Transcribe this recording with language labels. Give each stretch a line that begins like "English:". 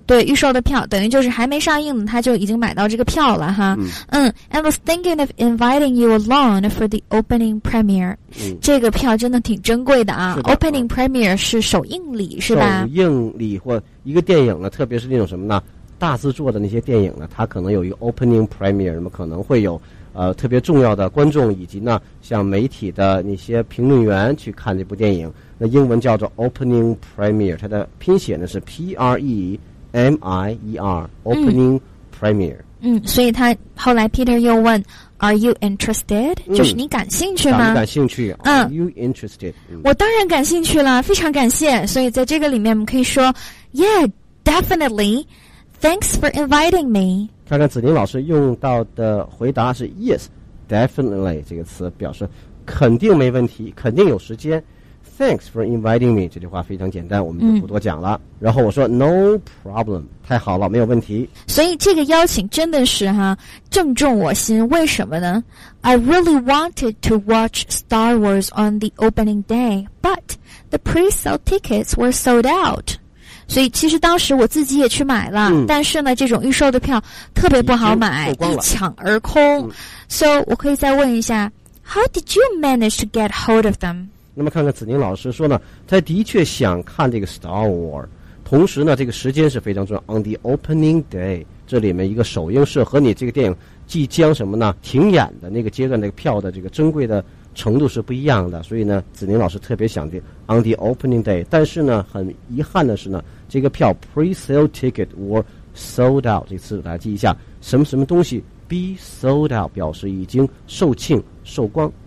Chinese: 对，预售的票等于就是还没上映他就已经买到这个票了哈。
English: I was thinking of inviting you along for the opening premiere。
Chinese: 这个票真的挺珍贵的啊。的 opening premiere 是首映礼是吧，首映礼或一个电影呢，特别是那种什么呢，大制作的那些电影呢，它可能有一个 opening premiere， 那么可能会有特别重要的观众以及呢像媒体的那些评论员去看这部电影，那英文叫做 opening premiere， 它的拼写呢是 P-R-E-M-I-E-R opening premiere。所以他后来 Peter 又问
English: Are you interested?、
Chinese: 就是你感兴趣吗？感兴趣。
English: Are you interested?、
Chinese: 我当然感兴趣了，非常感谢。所以在这个里面我们可以说
English: Yeah, definitely. Thanks for inviting me.
Chinese: 看看子宁老师用到的回答是
English: Yes, definitely
Chinese: 这个词表示肯定没问题，肯定有时间。
English: Thanks for inviting me.
Chinese: 这句话非常简单，我们就不多讲了。然后我说
English: No problem.
Chinese: 太好了，没有问题。所以这个邀请真的是哈，正中我心。为什么呢？
English: I really wanted to watch Star Wars on the opening day, but the pre-sale tickets were sold out.
Chinese: 所以其实当时我自己也去买了，但是呢，这种预售的票特别不好买，一抢而空。
English: So
Chinese: 我可以再问一下
English: ，How did you manage to get hold of them?
Chinese: 那么看看子宁老师说呢，他的确想看这个 Star Wars， 同时呢这个时间是非常重要，
English: on the opening day，
Chinese: 这里面一个首映式和你这个电影即将什么呢停演的那个阶段那个票的这个珍贵的程度是不一样的，所以呢子宁老师特别想的 on the opening day， 但是呢很遗憾的是呢这个票
English: pre-sale ticket were sold out，
Chinese: 这次大家记一下什么什么东西
English: be sold out
Chinese: 表示已经售罄售光。